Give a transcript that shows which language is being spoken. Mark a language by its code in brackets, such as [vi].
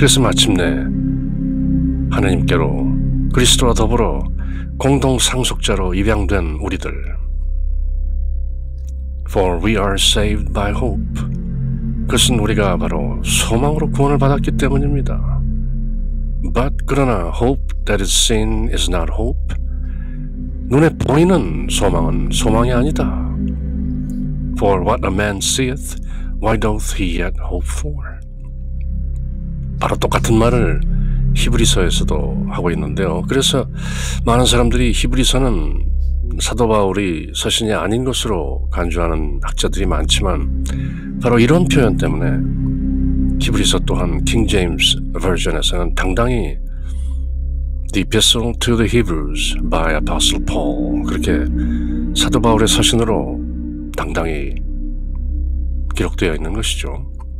[ko] 그래서 마침내 하느님께로 그리스도와 더불어 공동 상속자로 입양된 우리들. [en] For we are saved by hope. [ko] 그것은 우리가 바로 소망으로 구원을 받았기 때문입니다. [en] But [ko] 그러나 [en] hope that is seen is not hope. [ko] 눈에 보이는 소망은 소망이 아니다. [en] For what a man seeth, why doth he yet hope for? [ko] 바로 똑같은 말을 히브리서에서도 하고 있는데요. 그래서 많은 사람들이 히브리서는 사도 바울이 서신이 아닌 것으로 간주하는 학자들이 많지만 바로 이런 표현 때문에 히브리서 또한 킹 제임스 버전에서는 당당히 [en] The Epistle to the Hebrews by Apostle Paul [ko] 그렇게 사도 바울의 서신으로 당당히 기록되어 있는 것이죠.